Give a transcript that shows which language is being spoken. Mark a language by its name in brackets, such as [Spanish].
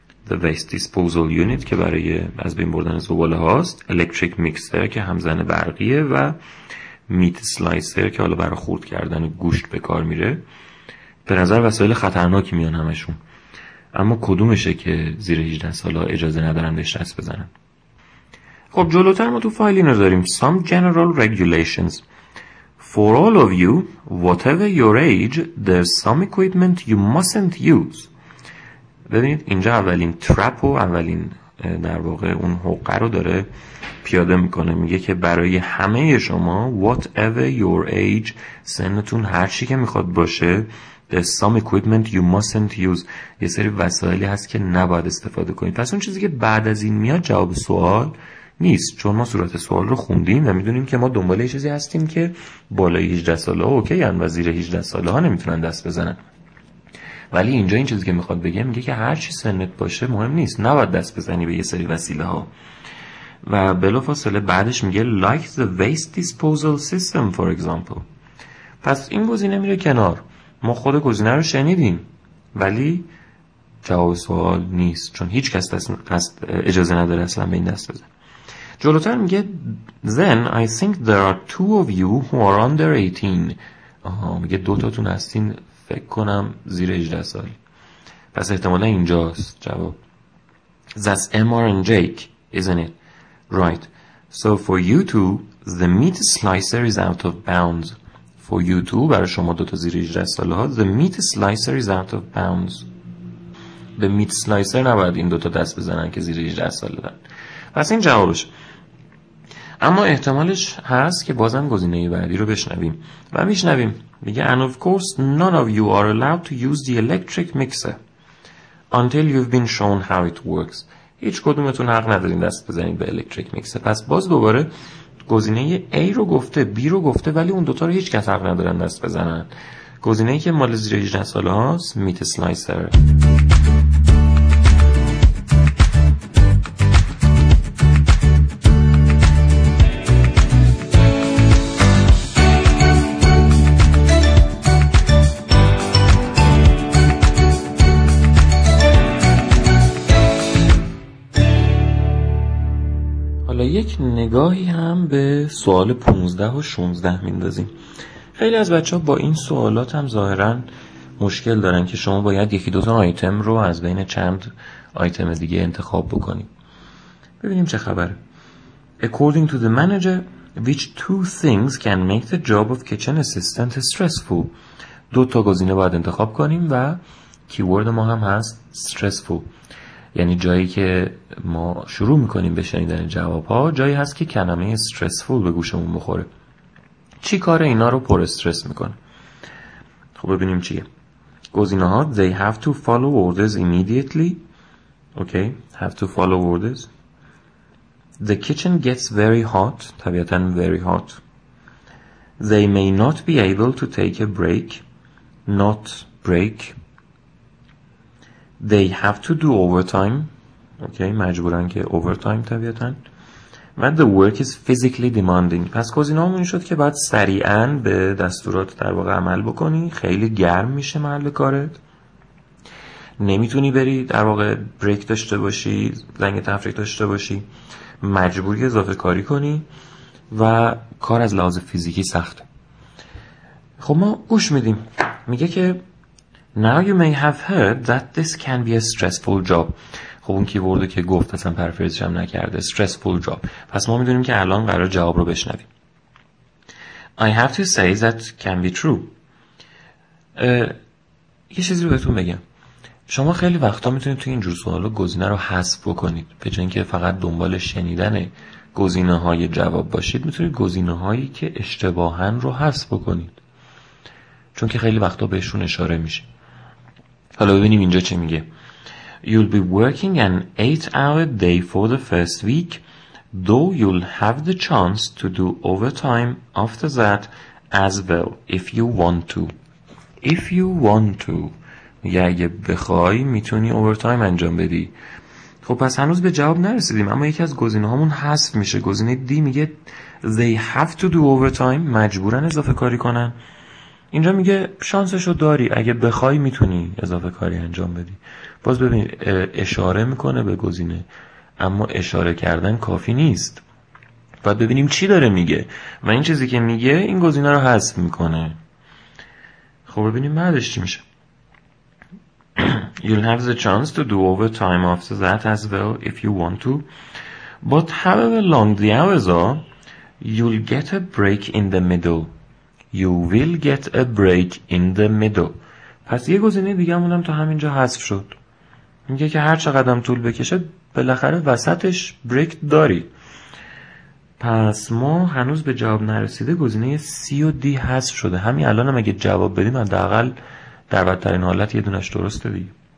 [Persian] The waste disposal unit که برای از بین بردن زباله هاست، electric mixer که همزن برقیه، و meat slicer که حالا برای خرد کردن گوشت به کار میره. به نظر وسایل خطرناکی میان همشون. اما کدومشه که زیر 18 سالا اجازه ندارن بهش دست بزنن؟ خب جلوتر ما تو فایل اینو داریم: [English] Some general regulations. For all of you, whatever your age, there's some equipment you mustn't use. [Persian] ببینید اینجا اولین trap و اولین در واقع اون حقه رو داره پیاده میکنه، میگه که برای همه شما [English] whatever your age، [Persian] سنتون هر چی که میخواد باشه، [English] there's some equipment you mustn't use، [Persian] یه سری وسایلی هست که نباید استفاده کنید. پس اون چیزی که بعد از این میاد جواب سوال نیست، چون ما صورت سوال رو خوندیم و میدونیم که ما دنبال یه چیزی هستیم که بالای 18 ساله اوکی هن و زیر 18 ساله ها نمیتونن دست بزنن. ولی اینجا این چیزی که میخواد بگه، میگه که هر چی سنت باشه مهم نیست، نباید دست بزنی به یه سری وسیله ها. و بلافاصله بعدش میگه [English] like the waste disposal system for example. [Persian] پس این گزینه میره کنار، ما خود گزینه رو شنیدیم ولی جواب سوال نیست، چون هیچ کس اجازه نداره اصلا به این دست بزن. جلوتر میگه [English] then I think there are two of you who are under 18. [Persian] میگه دوتاتون هستین فکر کنم زیر 18 سال، پس احتمالا اینجاست جواب. [English] That's MR and Jake, isn't it? Right. So for you two, the meat slicer is out of bounds. For you two, [Persian] برای شما دوتا زیر 18 سالها، [English] the meat slicer is out of bounds. [Persian] به meat slicer نباید این دوتا دست بزنن که زیر 18 سال دارن. پس این جوابش. اما احتمالش هست که بازم گزینه بعدی رو بشنویم و میشنویم. میگه [English] and of course none of you are allowed to use the electric mixer until you've been shown how it works. [Persian] هیچ کدومتون حق ندارین دست بزنید به الکتریک میکسر. پس باز دوباره گزینه A رو گفته، B رو گفته، ولی اون دوتا رو هیچ کس حق ندارن دست بزنن. گزینه ای که مال زیر 18 ساله هاست میت سلایسر. یک نگاهی هم به سوال 15 و 16 میندازیم. خیلی از بچه‌ها با این سوالات هم ظاهراً مشکل دارن که شما باید یکی دو تا آیتم رو از بین چند آیتم دیگه انتخاب بکنید. ببینیم چه خبره. [English] According to the manager, which two things can make the job of kitchen assistant stressful? [Persian] دو تا گزینه باید انتخاب کنیم و کیورد ما هم هست stressful. یعنی جایی که ما شروع میکنیم به شنیدن جواب ها، جایی هست که کلمه استرسفول به گوشمون بخوره. چی کار اینا رو پر استرس میکنه؟ خب ببینیم چیه گزینه ها. [English] They have to follow orders immediately. Okay, have to follow orders. The kitchen gets very hot. [Persian] طبیعتاً [English] very hot. They may not be able to take a break. Not break. They have to do overtime. Okay, [Persian] مجبورن که [English] overtime [Persian] طبیعتاً. [English] And the work is physically demanding. [Persian] پس گزینه‌هامون شد که باید سریعاً به دستورات در واقع عمل بکنی، خیلی گرم میشه محل کارت، نمیتونی بری در واقع بریک داشته باشی، زنگ تفریح داشته باشی، مجبوری اضافه کاری کنی و کار از لحاظ فیزیکی سخت. خب ما گوش میدیم. میگه که [English] Now you may have heard that this can be a stressful job. [Persian] خب اون کیوردو که گفت اصلا پرفریزش هم نکرده. [English] Stressful job. [Persian] پس ما میدونیم که الان قرار جواب رو بشنویم. [English] I have to say that can be true. [Persian] یه چیزی رو بهتون بگم. شما خیلی وقتا میتونید توی اینجور سوالا گزینه رو حذف بکنید. به جای اینکه فقط دنبال شنیدن گزینه های جواب باشید، میتونید گزینه هایی که اشتباهن رو حذف بکنید. چون که خیلی وقتا بهشون اشاره میشه. حالا ببینیم اینجا چه میگه. [English] You'll be working an 8-hour day for the first week, though you'll have the chance to do overtime after that as well, if you want to. If you want to. [Persian] میگه اگه بخوای میتونی اوورتایم انجام بدی. خب پس هنوز به جواب نرسیدیم، اما یکی از گزینه هامون حذف میشه. گزینه دی میگه [English] They have to do overtime. [Persian] مجبورن اضافه کاری کنن. اینجا میگه شانسشو داری، اگه بخوای میتونی اضافه کاری انجام بدی. باز ببین اشاره میکنه به گزینه، اما اشاره کردن کافی نیست. باید ببینیم چی داره میگه، و این چیزی که میگه این گزینه رو حذف میکنه. خب ببینیم بعدش چی میشه. [English] You'll have the chance to do overtime after that as well if you want to. But however long the hours are, you'll get a break in the middle. You will get a break in the middle. [Persian] پس یه گزینه دیگه مونم تا همینجا حذف شد. میگه که هر چقدر هم طول بکشه بالاخره وسطش بریک داری. پس ما هنوز به جواب نرسیده گزینه سی و دی حذف شده. همین الان هم اگه جواب بدیم حداقل در بدترین حالت یه دونش درسته دیگه.